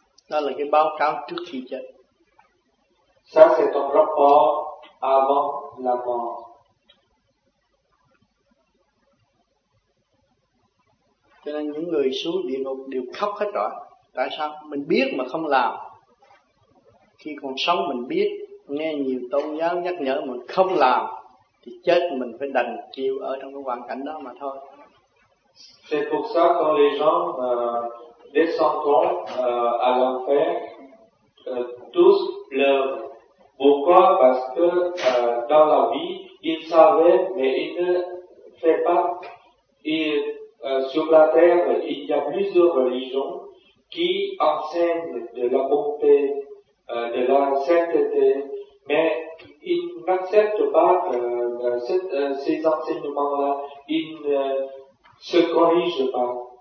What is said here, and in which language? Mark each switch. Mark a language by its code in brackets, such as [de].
[vi] Đó là cái báo cáo trước khi chết. [fr] Ça c'est un rapport avant la mort. [vi] Cho nên những người xuống địa ngục đều khóc hết rồi. Tại sao? Mình biết mà không làm. Khi còn sống mình biết, nghe nhiều tôn giáo nhắc nhở mình không làm, thì chết mình phải đành chịu ở trong cái hoàn cảnh đó mà thôi. [fr] C'est pour ça que les gens descendront à l'enfer, tous pleurent. Pourquoi? Parce que dans la vie, ils savaient, mais ils ne faisaient pas. Et sur la terre, il y a plusieurs religions qui enseignent de la bonté, de la sainteté, mais ils n'acceptent pas ces enseignements-là, ils ne se corrigent pas.